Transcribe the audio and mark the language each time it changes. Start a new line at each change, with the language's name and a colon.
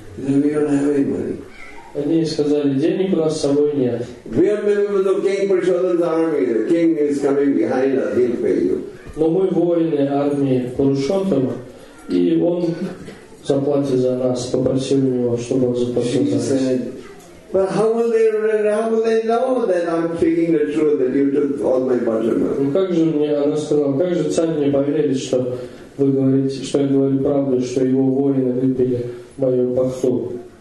English: He said, "We don't have any money."
Russian: Они сказали, денег у нас с собой нет.
English: We are members of King Prashodam's army. The king is coming behind us. He'll pay you.
Russian: Но мы воины армии Пурушоттама, и он заплатит за нас. Попросил у него, чтобы он заплатил за нас.
English: She said, "But how will they know that I'm speaking the truth, that you took all my money?"
Russian: Ну как же мне, она сказала, как же царь мне поверит, что вы говорите, что я говорю правду, что его воины выпили мою бахту.